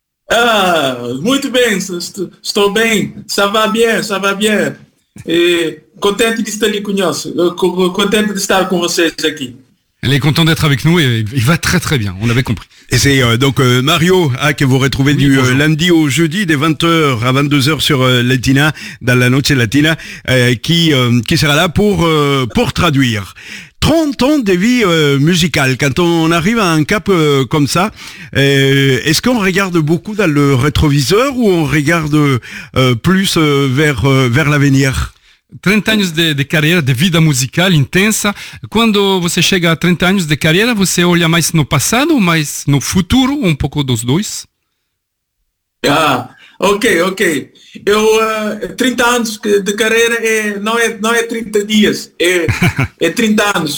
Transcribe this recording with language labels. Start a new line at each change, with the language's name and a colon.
Portuguese: Ah, muito bem, estou bem,
French: ça va bien. Content de
Portuguese: estar com vocês aqui.
French: Elle est contente d'être avec nous et il va très très bien, on avait compris. Et c'est donc Mario que vous retrouvez oui, du lundi au jeudi des 20h à 22h sur Latina, dans la Noche Latina, qui sera là pour traduire. 30 ans de vie musicale, quand on arrive à un cap comme ça, est-ce qu'on regarde beaucoup dans le rétroviseur ou on regarde plus vers l'avenir?
Portuguese: 30 anos de carreira, de vida musical intensa. Quando você chega a 30 anos de carreira, você olha mais no passado ou mais no futuro? Um pouco dos dois? Ah, ok. Eu, 30 anos de carreira não é 30 dias, é 30 anos.